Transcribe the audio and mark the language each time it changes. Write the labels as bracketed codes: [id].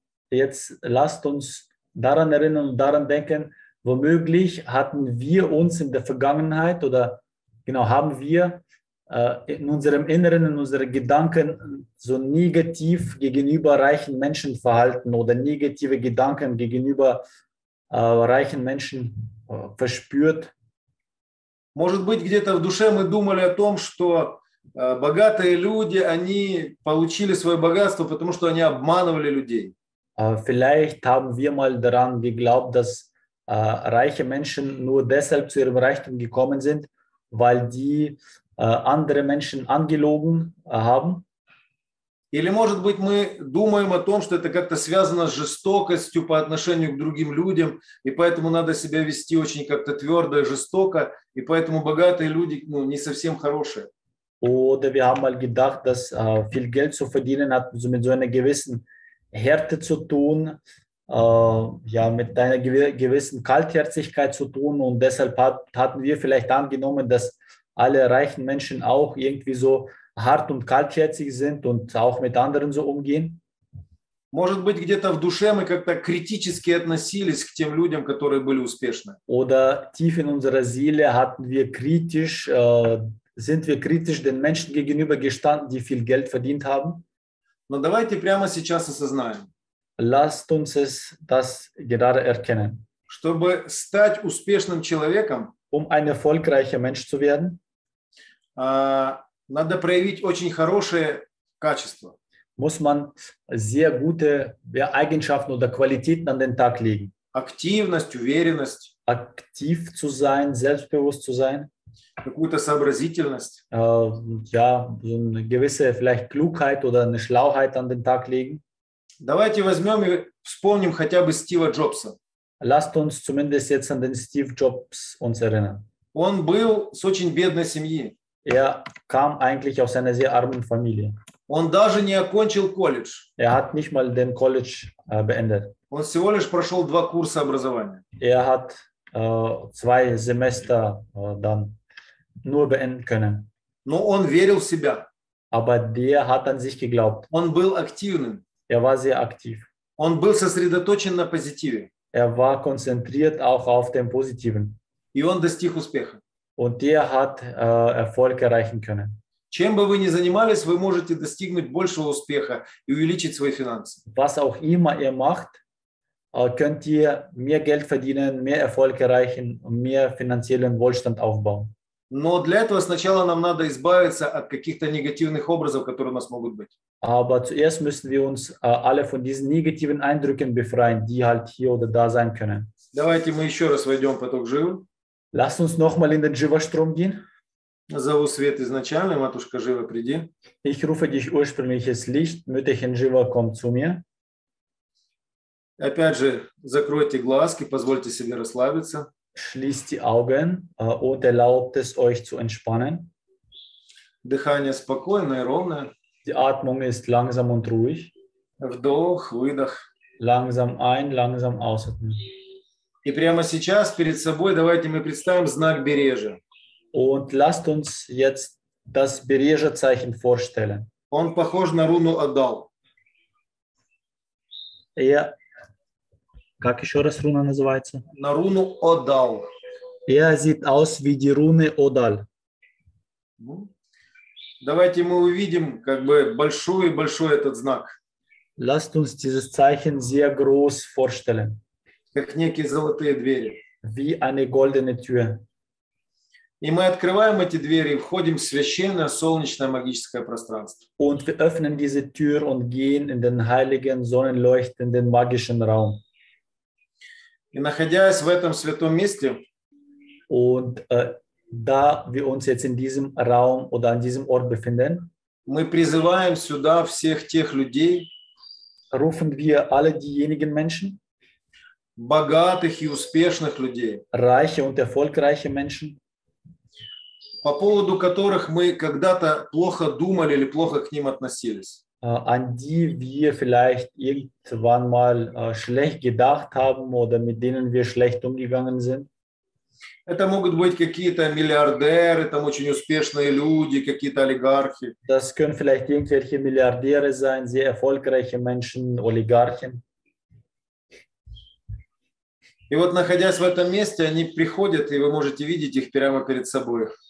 [de] Jetzt lasst uns daran erinnern und daran denken, womöglich hatten wir uns in der Vergangenheit oder genau haben wir in unserem Inneren, in unseren Gedanken so negativ gegenüber reichen Menschen verhalten oder negative Gedanken gegenüber reichen Menschen verspürt. [ru] Может быть, где-то в душе мы думали о том, что богатые люди, они получили свое богатство, потому что они обманывали людей. [de] Vielleicht haben wir mal daran geglaubt, dass reiche Menschen nur deshalb zu ihrem Reichtum gekommen sind, weil die andere Menschen angelogen haben. [ru] Или, может быть, мы думаем о том, что это как-то связано с жестокостью по отношению к другим людям, и поэтому надо себя вести очень как-то твердо и жестоко, и поэтому богатые люди, ну, не совсем хорошие. [de] Oder wir haben mal gedacht, dass viel Geld zu verdienen hat mit so einer gewissen Härte zu tun, mit einer gewissen Kaltherzigkeit zu tun. Und deshalb hatten wir vielleicht angenommen, dass alle reichen Menschen auch irgendwie so hart und kaltherzig sind und auch mit anderen so umgehen. [ru] Может быть, где-то в душе мы как-то критически относились к тем людям, которые были успешны. [de] Oder tief in unserer Seele hatten wir kritisch sind wir kritisch den Menschen gegenüber gestanden, die viel Geld verdient haben? [ru] Но давайте прямо сейчас осознаем. [de] Lasst uns es das gerade erkennen. [ru] Чтобы стать успешным человеком, [de] ein erfolgreicher Mensch zu werden, [ru] надо проявить очень хорошие качества. [de] Muss man sehr gute Eigenschaften oder Qualitäten an den Tag legen. [ru] Активность, уверенность. [de] Aktiv zu sein, selbstbewusst zu sein. [ru] Какую-то сообразительность. [de] So eine gewisse vielleicht Klugheit oder eine Schlauheit an den Tag legen. [ru] Давайте возьмем и вспомним хотя бы Стива Джобса. [de] Lasst uns zumindest jetzt an den Steve Jobs uns erinnern. [ru] Он был с очень бедной семьи. [de] Er kam eigentlich aus einer sehr armen Familie. [ru] Он даже не окончил колледж. [de] Er hat nicht mal den College beendet. [ru] Он всего лишь прошел два курса образования. [de] Er hat zwei Semester dann nur beenden können. [ru] Но он верил в себя. [de] Aber der hat an sich geglaubt. [ru] Он был активным. [de] Er war sehr aktiv. [ru] Он был сосредоточен на позитиве. [de] Er war konzentriert auch auf dem Positiven. [ru] И он достиг успеха. [de] Und der hat Erfolg erreichen können. [ru] Чем бы вы ни занимались, вы можете достигнуть большего успеха и увеличить свои финансы. [de] Was auch immer ihr macht, könnt ihr mehr Geld verdienen, mehr Erfolg erreichen und mehr finanziellen Wohlstand aufbauen. [ru] Но для этого сначала нам надо избавиться от каких-то негативных образов, которые у нас могут быть. [de] Aber zuerst müssen wir uns alle von diesen negativen Eindrücken befreien, die halt hier oder da sein können. [ru] Давайте мы еще раз войдем в поток Живы. [de] Lass uns nochmal in den Живастром gehen. [ru] Назову свет изначально, матушка Жива, приди. [de] Ich rufe dich ursprüngliches Licht, Mütterchen Жива, komm zu mir. [ru] Опять же, закройте глазки, позвольте себе расслабиться. [de] Schließt die Augen und erlaubt es euch zu entspannen. [ru] Дыхание спокойное, ровное. [de] Die Atmung ist langsam und ruhig. [ru] Вдох, выдох. [de] Langsam ein, langsam ausatmen. [ru] И прямо сейчас перед собой давайте мы представим знак Бережа. [de] Und lasst uns jetzt das Береже-Zeichen vorstellen. [ru] Он похож на руну Адал. [de] Ja. [ru] Как еще раз руна называется? На руну Одал. [de] Er sieht aus wie die Rune Odal. [ru] Давайте мы увидим как бы большой этот знак. [de] Lasst uns dieses Zeichen sehr groß vorstellen. [ru] Как некие золотые двери. [de] Wie eine goldene Tür. [ru] И мы открываем эти двери и входим в священное солнечное магическое пространство. [de] Und wir öffnen diese Tür und gehen in den heiligen sonnenleuchtenden magischen Raum. [ru] И находясь в этом святом месте, [de] und, da wir uns jetzt in diesem Raum oder an diesem Ort befinden, [ru] мы призываем сюда всех тех людей, [de] rufen wir alle diejenigen Menschen, [ru] богатых и успешных людей, [de] reiche und erfolgreiche Menschen, [ru] по поводу которых мы когда-то плохо думали или плохо к ним относились. [de] An die wir vielleicht irgendwann mal schlecht gedacht haben oder mit denen wir schlecht umgegangen sind. [ru] Это могут быть какие-то миллиардеры, там очень успешные люди, какие-то олигархи. [de] Das können vielleicht irgendwelche Milliardäre sein, sehr erfolgreiche Menschen, Oligarchen. [ru] И вот находясь в этом месте, они приходят, и вы можете видеть их прямо перед собой.